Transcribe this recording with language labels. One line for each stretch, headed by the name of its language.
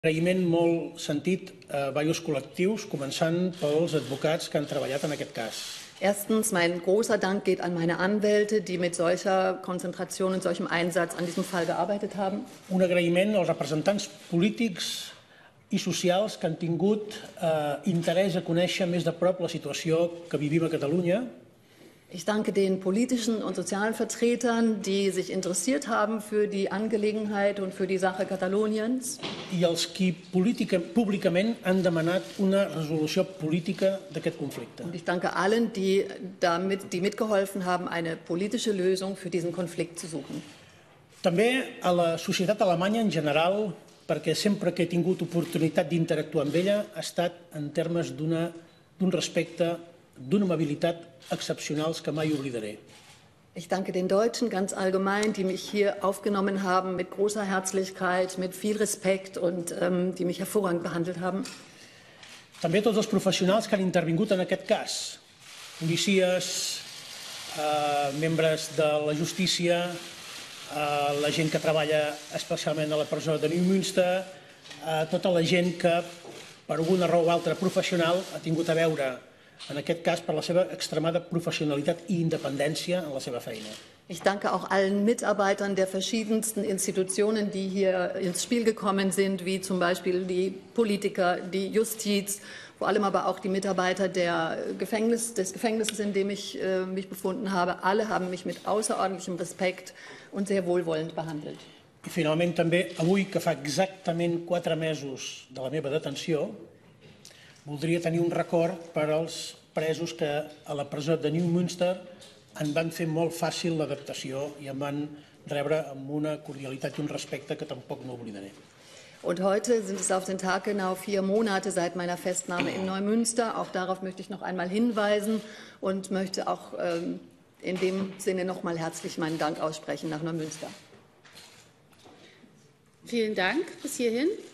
Catalan: Agraïment molt sentit a diversos col·lectius, començant pels advocats que han treballat en aquest cas.
German: Erstens, mein großer Dank geht an meine Anwälte, die mit solcher Konzentration und solchem Einsatz an diesem Fall gearbeitet haben.
Catalan: Un agraïment als representants polítics i socials que han tingut interès a conèixer més de prop la situació que vivim a Catalunya.
German: Ich danke den politischen und sozialen Vertretern, die sich interessiert haben für die Angelegenheit und für die Sache Kataloniens.
Catalan: I als qui públicament han demanat una resolució política d'aquest conflicte.
German: Und ich danke allen, die mitgeholfen haben, eine politische Lösung für diesen Konflikt zu suchen.
Catalan: També a la societat alemanya en general, perquè sempre que he tingut oportunitat d'interactuar amb ella ha estat en termes d'un respecte, d'una amabilitat excepcionals que mai oblidaré.
German: Ich danke den Deutschen ganz allgemein, die mich hier aufgenommen haben mit großer Herzlichkeit, mit viel Respekt und die mich hervorragend behandelt haben.
Catalan: També tots els professionals que han intervingut en aquest cas. Policies, membres de la justícia, la gent que treballa especialment a la presó de Neumünster, tota la gent que per alguna raó o altra professional ha tingut a veure en aquest cas per la seva extremada professionalitat i independència en la seva feina.
German: Ich danke auch allen Mitarbeitern der verschiedensten Institutionen, die hier ins Spiel gekommen sind, wie zum Beispiel die Politiker, die Justiz, vor allem aber auch die Mitarbeiter des Gefängnisses, in dem ich mich befunden habe. Alle haben mich mit außerordentlichem Respekt und sehr wohlwollend behandelt.
Catalan: I finalment també, avui que fa exactament 4 mesos de la meva detenció, voldria tenir un record per als presos que a la presó de Neumünster en van fer molt fàcil l'adaptació i em van rebre amb una cordialitat i un respecte que tampoc no oblidaré.
German: Und heute sind es auf den Tag genau 4 Monate seit meiner Festnahme in Neumünster. Auch darauf möchte ich noch einmal hinweisen und möchte auch in dem Sinne noch mal herzlich meinen Dank aussprechen nach Neumünster. Vielen Dank bis hierhin.